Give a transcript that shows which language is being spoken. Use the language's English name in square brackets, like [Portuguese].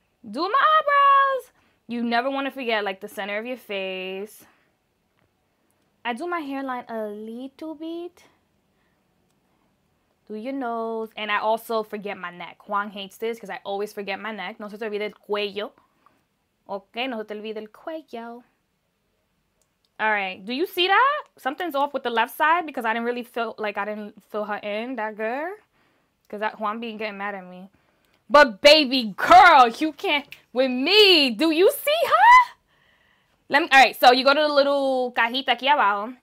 [English] Do my eyebrows. You never want to forget, like, the center of your face. I do my hairline a little bit. Do your nose. And I also forget my neck. Juan hates this because I always forget my neck. [Spanish] No se te olvide el cuello. Okay, no se te olvide el cuello. [English] All right, do you see that? Something's off with the left side because I didn't really feel like I didn't fill her in that good. Because that Juan being getting mad at me. But baby girl, you can't with me. Do you see her? All right, so you go to the little [Spanish] cajita aquí abajo.